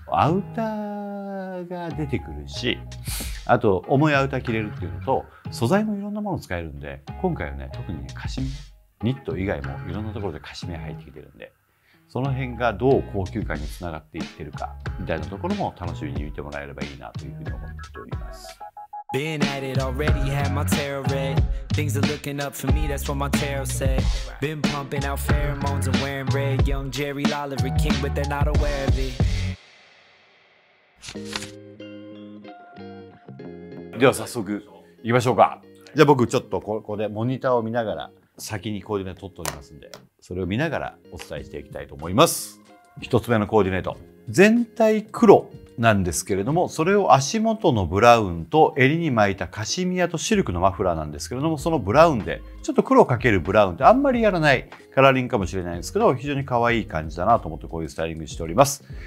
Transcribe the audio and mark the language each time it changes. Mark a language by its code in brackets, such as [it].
[ja] アウターが出てくるし、あと重いアウター着れるっていうのと、素材もいろんなもの使えるんで、今回はね、特にカシミニット以外もいろんなところでカシミ入ってきてるんで、その辺がどう高級感につながっていってるかみたいなところも楽しみに見てもらえればいいなというふうに思っております。 [en] Been at it already, had my tarot read. Things are looking up for me, that's what my tarot said. Been pumping out pheromones and wearing red. Young Jerry Lawler, king, but they're not aware of it. [ja] では早速行きましょうか。じゃあ僕ちょっとここでモニターを見ながら、先にコーディネート撮っておりますんで、それを見ながらお伝えしていきたいと思います。一つ目のコーディネート、全体黒なんですけれども、それを足元のブラウンと襟に巻いたカシミヤとシルクのマフラーなんですけれども、そのブラウンでちょっと黒をかけるブラウンってあんまりやらないカラーリングかもしれないんですけど、非常に可愛い感じだなと思ってこういうスタイリングしております。